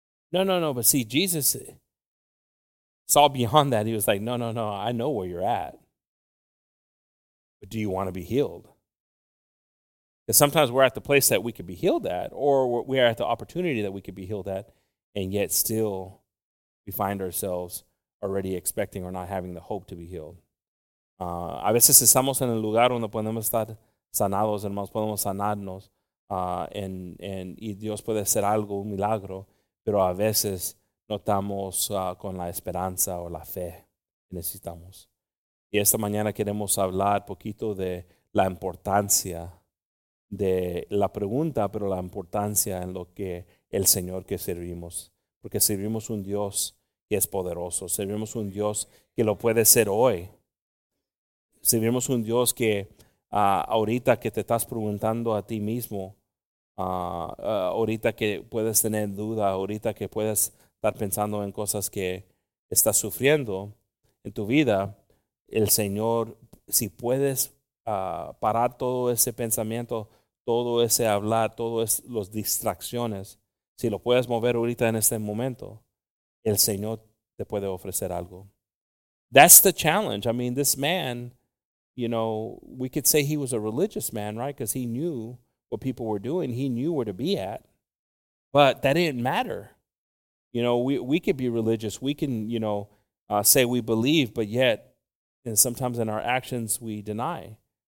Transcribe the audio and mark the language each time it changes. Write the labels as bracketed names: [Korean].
[English] No, but see, Jesus saw beyond that. He was like, no, I know where you're at. But do you want to be healed? And sometimes we're at the place that we could be healed at, or we are at the opportunity that we could be healed at, and yet still we find ourselves already expecting or not having the hope to be healed. [Spanish] A veces estamos en el lugar donde podemos estar sanados, hermanos, podemos sanarnos, y Dios puede hacer algo, un milagro, pero a veces no estamos con la esperanza o la fe que necesitamos. Y esta mañana queremos hablar poquito de la importancia de la pregunta, pero la importancia en lo que el Señor que servimos. Porque servimos un Dios que es poderoso. Servimos un Dios que lo puede ser hoy. Servimos un Dios que ahorita que te estás preguntando a ti mismo, ahorita que puedes tener duda, ahorita que puedes estar pensando en cosas que estás sufriendo en tu vida, el Señor, si puedes parar todo ese pensamiento, todo ese hablar, todas las distracciones, si lo puedes mover ahorita en este momento, el Señor te puede ofrecer algo. [English] That's the challenge. I mean, this man, you know, we could say he was a religious man, right? Because he knew what people were doing. He knew where to be at. But that didn't matter. You know, we could be religious. We can, you know, say we believe, but yet, and sometimes in our actions, we deny.